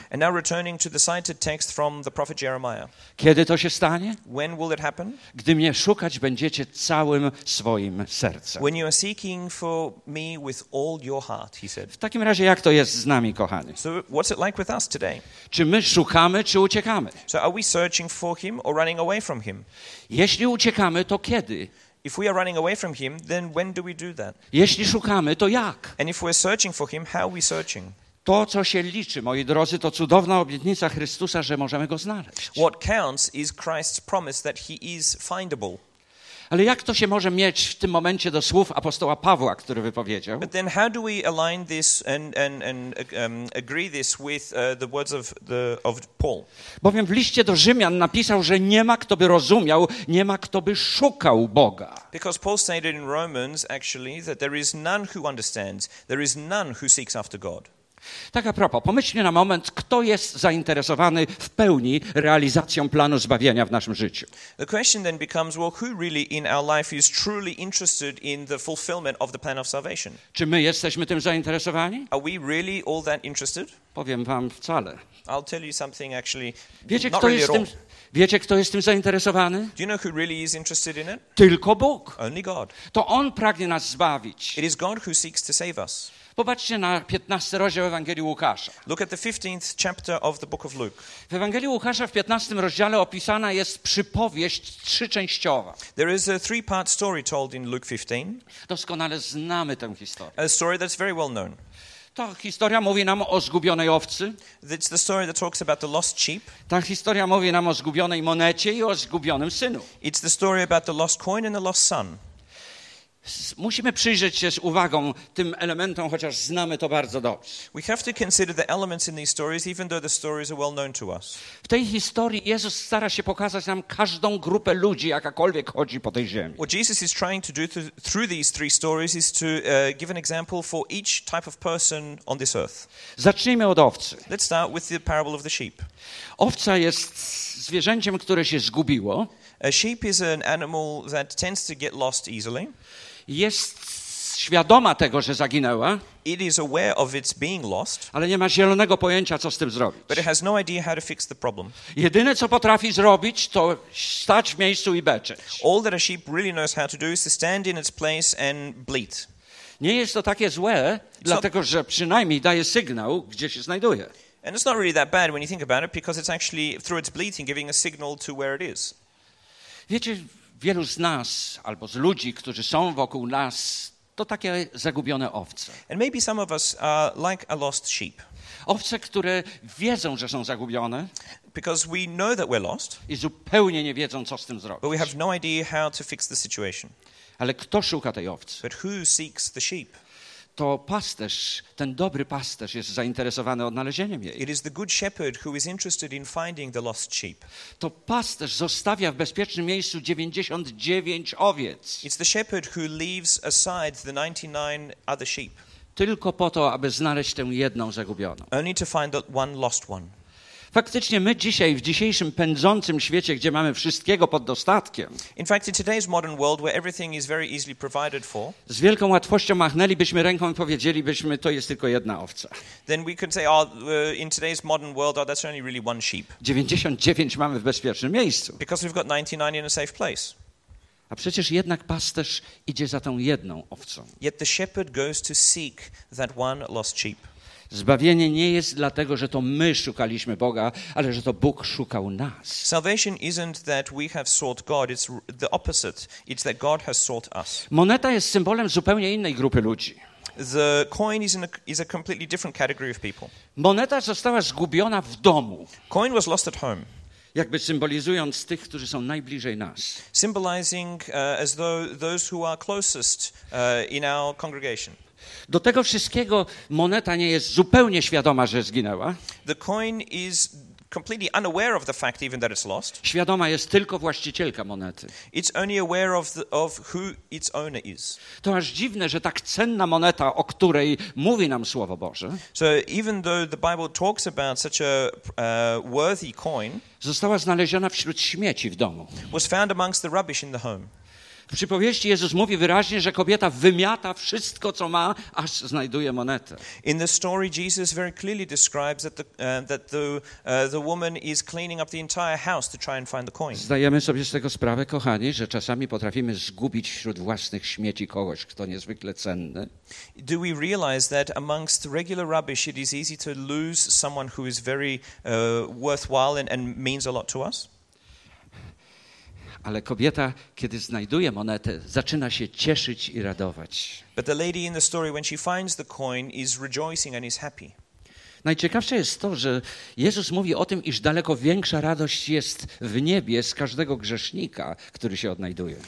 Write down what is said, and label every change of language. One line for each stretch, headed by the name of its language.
English: And now returning to the cited text from the prophet Jeremiah.
Polish: Kiedy to się stanie?
English: When will it happen?
Polish: Gdy mnie szukać będziecie całym swoim sercem.
English: When you are seeking for me with all your heart, he said.
Polish: W takim razie jak to jest z nami, kochani?
English: So what's it like with us today?
Polish: Czy my szukamy, czy uciekamy?
English: So are we searching for him or running away from him?
Polish: Jeśli uciekamy, to kiedy?
English: If we are running away from him, then when do we do that?
Polish: Jeśli szukamy, to jak?
English: And if we're searching for him, how are we searching?
Polish: To, co się liczy, moi drodzy, to cudowna obietnica Chrystusa, że możemy go znaleźć.
English: What counts is Christ's promise that he is findable.
Polish: Ale jak to się może mieć w tym momencie do słów apostoła Pawła, który wypowiedział?
English: But then how do we align this and agree this with the words of Paul?
Polish: Bowiem w liście do Rzymian napisał, że nie ma kto by rozumiał, nie ma kto by szukał Boga.
English: Because Paul stated in Romans actually that there is none who understands, there is none who seeks after God.
Polish: Tak a propos, pomyślmy na moment, kto jest zainteresowany w pełni realizacją planu zbawienia w naszym życiu.
English: The question then becomes, well, who really in our life is truly interested in the fulfillment of the plan of salvation?
Polish: Czy my jesteśmy tym zainteresowani?
English: Are we really all that interested?
Polish: Powiem wam wcale.
English: I'll tell you something actually.
Polish: Wiecie, kto jest tym? Wiecie, kto jest tym zainteresowany?
English: Do you know who really is interested in it?
Polish: Tylko Bóg.
English: Only God.
Polish: To On pragnie nas zbawić.
English: It is God who seeks to save us.
Polish: Popatrzcie na 15 rozdział Ewangelii Łukasza.
English: Look at the 15th chapter of the book of Luke.
Polish: W Ewangelii Łukasza w 15 rozdziale opisana jest przypowieść trzyczęściowa.
English: There is a three-part story told in Luke 15.
Polish: Doskonale znamy tę historię.
English: A story that's very well known.
Polish: Ta historia mówi nam o zgubionej owcy.
English: It's the story that talks about the lost sheep.
Polish: Ta historia mówi nam o zgubionej monecie i o zgubionym synu.
English: It's the story about the lost coin and the lost son.
Polish: Musimy przyjrzeć się z uwagą tym elementom, chociaż znamy to bardzo dobrze.
English: We have to consider the elements in these stories, even though the stories are well known to us.
Polish: W tej historii Jezus stara się pokazać nam każdą grupę ludzi, jakakolwiek chodzi po tej ziemi.
English: What Jesus is trying to do through these three stories is to give an example for each type of person on this earth.
Polish: Zacznijmy od owcy.
English: Let's start with the parable of the sheep.
Polish: Owca jest zwierzęciem, które się zgubiło.
English: A sheep is an animal that tends to get lost easily.
Polish: Jest świadoma tego, że zaginęła.
English: It is aware of its being lost.
Polish: Ale nie ma zielonego pojęcia, co z tym zrobić.
English: But it has no idea how to fix the problem.
Polish: Jedyne, co potrafi zrobić, to stać w miejscu i beczeć.
English: All that a sheep really knows how to do is to stand in its place and bleat.
Polish: Nie jest to takie złe, dlatego że przynajmniej daje sygnał, gdzie się znajduje.
English: And it's not really that bad when you think about it, because it's actually through its bleating giving a signal to where it is.
Polish: Wiecie, wielu z nas, albo z ludzi, którzy są wokół nas, to takie zagubione owce.
English: And maybe some of us are like a lost sheep.
Polish: Owce, które wiedzą, że są zagubione.
English: Because we know that we're lost.
Polish: I zupełnie nie wiedzą, co z tym zrobić.
English: But we have no idea how to fix the situation.
Polish: Ale kto szuka tej owcy?
English: But who seeks the sheep?
Polish: To pasterz, ten dobry pasterz jest zainteresowany odnalezieniem jej.
English: It is the good shepherd who is interested in finding the lost sheep.
Polish: To pasterz zostawia w bezpiecznym miejscu 99 owiec.
English: It's the shepherd who leaves aside the 99 other sheep.
Polish: Tylko po to, aby znaleźć tę jedną zagubioną.
English: Only to find the one lost one.
Polish: Faktycznie my dzisiaj, w dzisiejszym pędzącym świecie, gdzie mamy wszystkiego pod dostatkiem,
English: in fact, in today's modern world, where everything is very easily provided for,
Polish: z wielką łatwością machnęlibyśmy ręką i powiedzielibyśmy, to jest tylko jedna owca.
English: Then we could say, oh, in today's modern world, oh, that's only really one sheep.
Polish: 99 mamy w bezpiecznym miejscu.
English: Because we've got 99 in a safe place.
Polish: A przecież jednak pasterz idzie za tą jedną owcą.
English: Yet the shepherd goes to seek that one lost sheep.
Polish: Zbawienie nie jest dlatego, że to my szukaliśmy Boga, ale że to Bóg szukał nas.
English: Salvation isn't that we have sought God, it's the opposite. It's that God has sought us.
Polish: Moneta jest symbolem zupełnie innej grupy ludzi.
English: The coin is a completely different category of people.
Polish: Moneta została zgubiona w domu.
English: Coin was lost at home.
Polish: Jakby symbolizując tych, którzy są najbliżej nas.
English: Symbolizing as though those who are closest in our congregation.
Polish: Do tego wszystkiego moneta nie jest zupełnie świadoma, że zginęła.
English: The coin is completely unaware of the fact even that it's lost.
Polish: Świadoma jest tylko właścicielka monety.
English: It's only aware of who its owner is.
Polish: To aż dziwne, że tak cenna moneta, o której mówi nam Słowo Boże.
English: So even though the Bible talks about such a worthy coin,
Polish: została znaleziona wśród śmieci w domu.
English: Was found amongst the rubbish in the home.
Polish: W przypowieści Jezus mówi wyraźnie, że kobieta wymiata wszystko, co ma, aż znajduje monetę.
English: In the story, Jesus very clearly describes that the woman is cleaning up the entire house to try and find the coin.
Polish: Zdajemy sobie z tego sprawę, kochani, że czasami potrafimy zgubić wśród własnych śmieci kogoś, kto niezwykle cenny.
English: Do we realize that amongst regular rubbish, it is easy to lose someone who is very worthwhile and means a lot to us?
Polish: Ale kobieta, kiedy znajduje monetę, zaczyna się cieszyć i radować.
English: But the lady in the story, when she finds the coin, is rejoicing and is happy.
Polish: Najciekawsze jest to, że Jezus mówi o tym, iż daleko większa radość jest w niebie z każdego grzesznika, który się odnajduje.